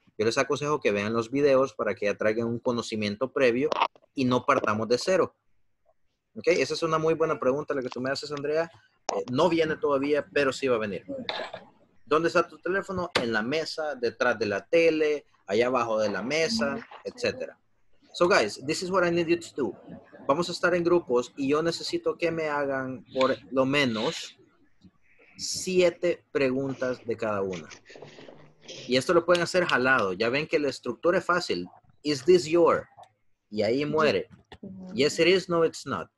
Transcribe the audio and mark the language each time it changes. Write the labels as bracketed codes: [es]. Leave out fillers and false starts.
[es] Yo les aconsejo que vean los videos para que ya traigan un conocimiento previo y no partamos de cero. ¿Ok? Esa es una muy buena pregunta la que tú me haces, Andrea. No viene todavía, pero sí va a venir. ¿Dónde está tu teléfono? En la mesa, detrás de la tele, allá abajo de la mesa, etc. [en] So, guys, this is what I need you to do. [es] Vamos a estar en grupos y yo necesito que me hagan por lo menos 7 preguntas de cada una. Y esto lo pueden hacer jalado. Ya ven que la estructura es fácil. [en] Is this your? [es] Y ahí muere. [en] Yes, it is. No, it's not.